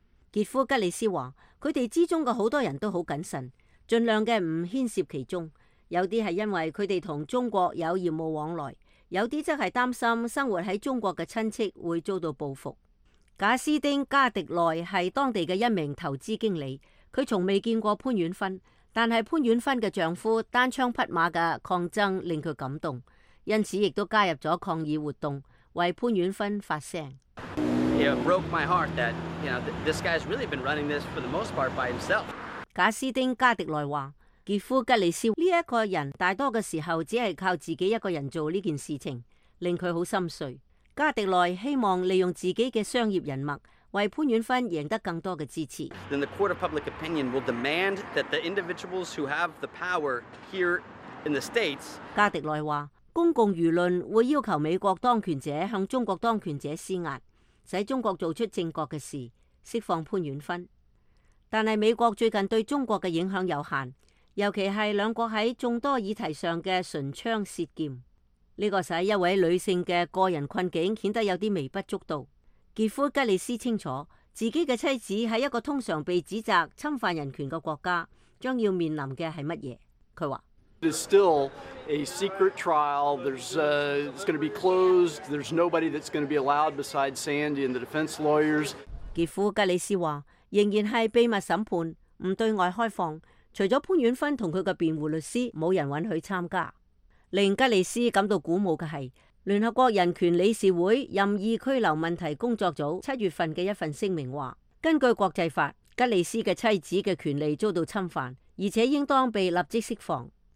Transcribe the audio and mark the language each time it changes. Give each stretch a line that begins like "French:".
Chinese: 杰夫·吉利斯说，他们之中的很多人都很谨慎，尽量的不牵涉其中，有些是因为他们和中国有业务往来，有些则是担心生活在中国的亲戚会遭到报复。贾斯丁·加迪内是当地的一名投资经理，他从未见过潘远芬，但是潘远芬的丈夫单枪匹马的抗争令他感动，因此亦都加入了抗议活动，为潘远芬发声。
English: It broke my heart that, you know, this guy's really been running this for the most part by himself.
Chinese: 贾斯丁·加迪内话，杰夫·吉利斯这个人大多的时候只是靠自己一个人做这件事情，令他很心碎。加迪内希望利用自己的商业人物为潘远芬赢得更多的支持。
English: Then the court of public opinion will demand that the individuals who have the power here in the states.
Chinese: 加迪内话，公共舆论会要求美国当权者向中国当权者施压，使中国做出正确的事，释放潘远芬。但是美国最近对中国的影响有限，尤其是两国在众多议题上的唇枪舌剑，这个使一位女性的个人困境显得有点微不足道。杰夫·吉利斯清楚自己的妻子在一个通常被指责侵犯人权的国家将要面临的是什么。他说，
English: It is still a secret trial. There's, it's going to be closed. There's nobody that's going to be allowed besides Sandy and the defense lawyers.
Chinese: 杰夫·吉利斯说，仍然是秘密审判，不对外开放。除了潘远芬和他的辩护律师，没人允许参加。令吉利斯感到鼓舞的是，联合国人权理事会任意拘留问题工作组七月份的一份声明说，根据国际法，吉利斯的妻子的权利遭到侵犯，而且应当被立即释放。